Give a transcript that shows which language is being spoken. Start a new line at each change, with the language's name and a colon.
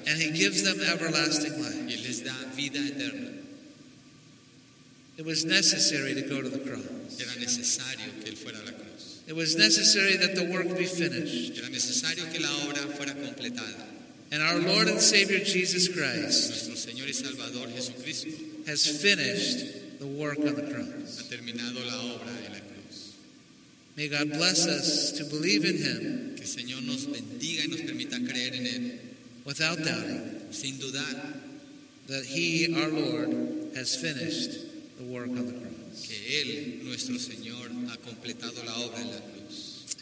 English: And he gives them everlasting life.
Spanish: Y les da vida eterna.
English: It was necessary to go to the cross.
Spanish: Era necesario que él fuera a la cruz.
English: It was necessary that the work be finished.
Spanish: Era necesario que la obra fuera completada.
English: And our Lord and Savior Jesus Christ,
Spanish: nuestro Señor y Salvador Jesucristo,
English: has finished the work on the cross.
Spanish: Ha terminado la obra en la cruz.
English: May God bless us to believe in him.
Spanish: Que el Señor nos bendiga y nos permita creer en él.
English: Without doubting,
Spanish: sin dudar,
English: that he, our Lord, has finished the work on the cross.
Spanish: Que Él, nuestro Señor, ha completado la obra en la cruz.